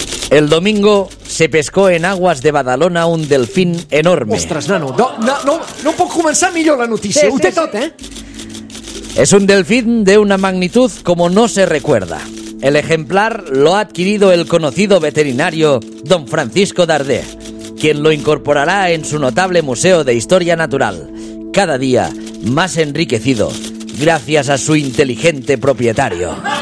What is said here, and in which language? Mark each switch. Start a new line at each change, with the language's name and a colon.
Spanish: El domingo se pescó en aguas de Badalona un delfín enorme.
Catalan: Ostres, nano, no puc començar millor la notícia. Sí, ho té tot, eh?
Spanish: Es un delfín de una magnitud como no se recuerda. El ejemplar lo ha adquirido el conocido veterinario don Francisco Dardé, quien lo incorporará en su notable Museo de Historia Natural, cada día más enriquecido gracias a su inteligente propietario.